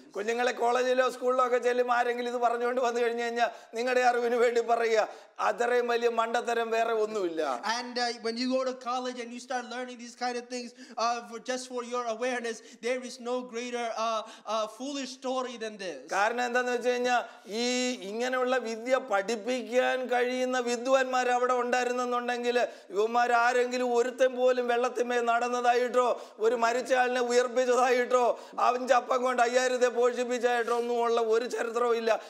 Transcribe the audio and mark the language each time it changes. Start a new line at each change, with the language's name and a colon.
Malayalam: കുഞ്ഞുങ്ങളെ കോളേജിലോ സ്കൂളിലോ ഒക്കെ ചെല്ലും ആരെങ്കിലും ഇത് പറഞ്ഞുകൊണ്ട് വന്നു കഴിഞ്ഞാൽ നിങ്ങളുടെ അറിവിന് വേണ്ടി പറയുക, അത്രയും വലിയ മണ്ടത്തരം വേറെ ഒന്നുമില്ല.
English: And when you go to college and you start learning these kind of things just for your awareness, there is no greater foolish story than this.
Malayalam: കാരണം എന്താന്ന് വെച്ച് കഴിഞ്ഞാൽ ഈ ഇങ്ങനെയുള്ള വിദ്യ പഠിപ്പിക്കാൻ കഴിയുന്ന വിദ്വാൻമാർ അവിടെ ഉണ്ടായിരുന്നെന്നുണ്ടെങ്കിൽ ഇവന്മാർ ആരെങ്കിലും ഒരുത്തൻ പോലും വെള്ളത്തിന്മേൽ നടന്നതായിട്ടോ ഒരു മരിച്ച ആളിനെ ഉയർപ്പിച്ചതായിട്ടോ അവഞ്ചപ്പം കൊണ്ട് അയ്യായിരത്തെ പോഷിപ്പിച്ചായിട്ടോ ഒന്നും ഉള്ള ഒരു ചരിത്രവും ഇല്ല.